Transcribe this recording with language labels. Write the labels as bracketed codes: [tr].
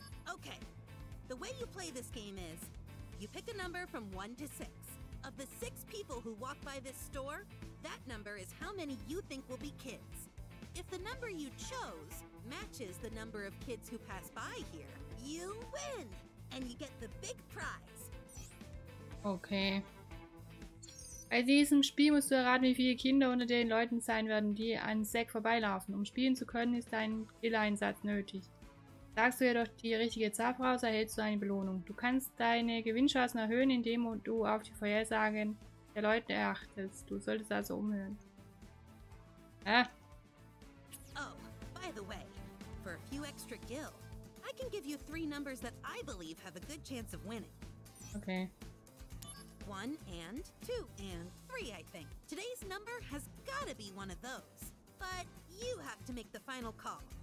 [en] Okay, the way you play this game is, you pick a number from 1 to 6. Of the 6 people who walk by this store, that number is how many you think will be kids. If the number you chose matches the number of kids who pass by here, you win! And you get the big prize. Okay. [de] Bei diesem Spiel musst du erraten, wie viele Kinder unter den Leuten sein werden, die an Zack vorbeilaufen. Um spielen zu können, ist dein Killeinsatz nötig. Sagst du jedoch die richtige Zahl voraus, erhältst du eine Belohnung. Du kannst deine Gewinnchancen erhöhen, indem du auf die Vorhersagen der Leute achtest. Du solltest also umhören. Hä? [en] Oh, by the way, for a few extra gil, I can give you 3 numbers that I believe have a good chance of winning. Okay. 1 and 2 and 3, I think. Today's number has gotta be one of those. But you have to make the final call.